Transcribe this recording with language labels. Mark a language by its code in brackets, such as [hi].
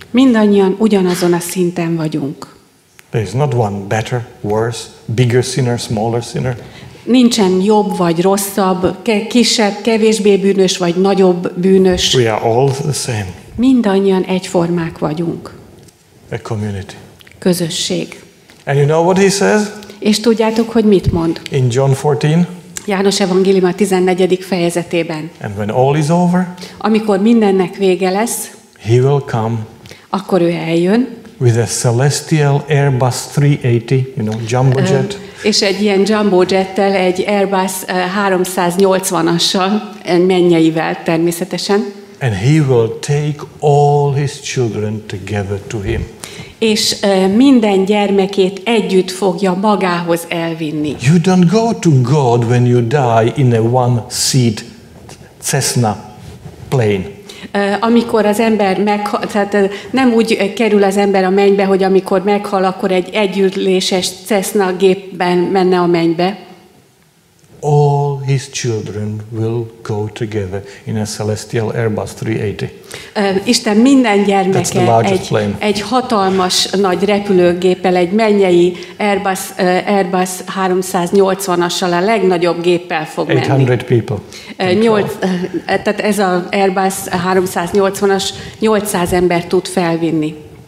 [hu] Mindannyian ugyanazon a szinten vagyunk. [en] There is not one better, worse, bigger sinner, smaller sinner. [hu] Nincsen jobb vagy rosszabb, kisebb, kevésbé bűnös vagy nagyobb bűnös. [en] We are all the same. [hu] Mindannyian egyformák vagyunk. [en] A community. [hu] Közösség. [en] And you know what he says? [hu] És tudjátok, hogy mit mond? [en] In John 14. [hu] János evangélium a 14. fejezetében. [en] And when all is over, [hu] amikor mindennek vége lesz, [en] he will come, [hu] akkor ő eljön. [en] With a celestial Airbus 380, you know, jumbo jet. [hu] És egy ilyen jumbo jettel, egy Airbus 380-assal, mennyeivel természetesen. [en] and he will take all his children together to him. [hu] És minden gyermekét együtt fogja magához elvinni. [en] You don't go to God when you die in a one seat Cessna plane. [hu] Amikor az ember meghal, tehát nem úgy kerül az ember a mennybe, hogy amikor meghal, akkor egy együléses Cessna gépben menne a mennybe. [en] All his children will go together in a celestial Airbus 380. [hu] Isten minden gyermeke egy hatalmas nagy repülőgéppel, egy mennyei Airbus 380-assal, a legnagyobb géppel fog [en] 800 [hu] menni. [en] 800 people. [hu] Tehát ez az Airbus 380-as 800 ember tud felvinni.